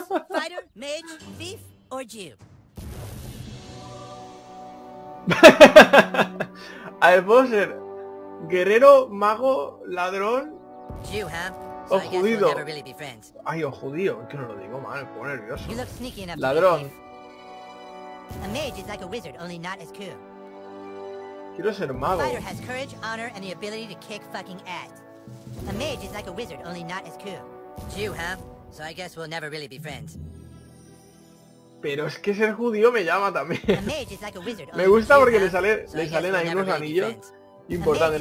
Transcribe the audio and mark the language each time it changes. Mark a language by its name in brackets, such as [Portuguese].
[English] Fighter, mage, thief, or Jew. [Spanish] A ver, puedo ser guerrero, mago, ladrón. [English] Jew, huh? [Spanish] O judío. Ay, o judío. Es que no lo digo mal, pongo nervioso. [English] You look sneaky enough. [Spanish] Ladrón. [English] A mage is like a wizard, only not as cool. [Spanish] Quiero ser mago. [English] A fighter has courage, honor, and the ability to kick fucking ass. A mage is like a wizard, only not as cool. Jew, huh? So I guess we'll never really be friends. [Spanish] Pero es que ser judío me llama también. Me gusta porque le salen ahí unos anillos importantes.